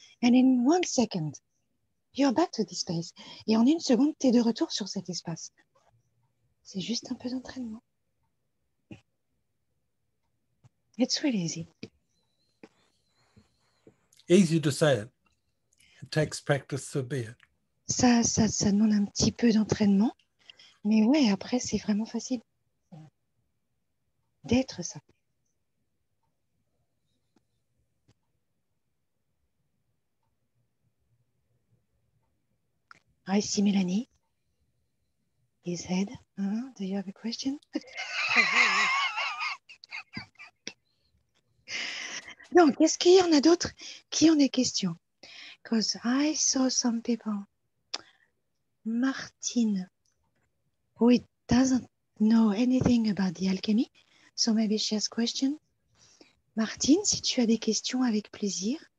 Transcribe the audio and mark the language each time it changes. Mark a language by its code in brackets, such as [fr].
[en] And in one second, you're back to this space. [fr] Et en une seconde, tu es de retour sur cet espace. C'est juste un peu d'entraînement. [en] It's really easy. Easy to say it. It takes practice to be it. [fr] Ça demande un petit peu d'entraînement. Mais ouais, après, c'est vraiment facile d'être ça. [en] I see Melanie. His head. Do you have a question? [fr] Non, est-ce qu'il y en a d'autres qui ont des questions? [en] Because I saw some people. Martine, who doesn't know anything about the alchemy, so maybe she has a question. [fr] Martine, si tu as des questions, avec plaisir.